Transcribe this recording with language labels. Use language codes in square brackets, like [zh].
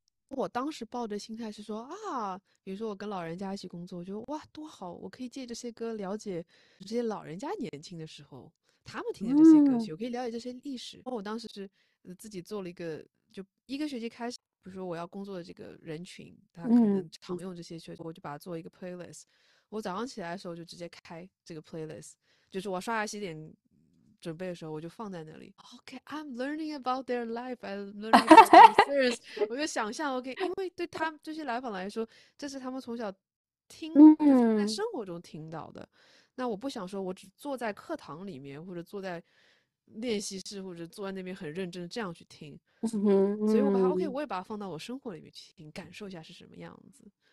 [zh] 我当时抱着心态是说啊，比如说我跟老人家一起工作，我觉得哇多好，我可以借这些歌了解这些老人家年轻的时候他们听的这些歌曲，我可以了解这些历史。我当时是自己做了一个，就一个学期开始。比如说我要工作的这个人群，他可能常用这些曲，我就把它做一个 playlist。我早上起来的时候就直接开这个 playlist，就是我刷牙洗脸准备的时候，我就放在那里。 [en] OK，I'm learning about their life, I'm learning about their concerns。 [zh] 我就想象 OK，因为对他们这些来访来说，这是他们从小听，就是在生活中听到的。那我不想说我只坐在课堂里面，或者坐在练习室，或者坐在那边很认真的这样去听。所以我把它 OK，我也把它放到我生活里面去听，感受一下是什么样子。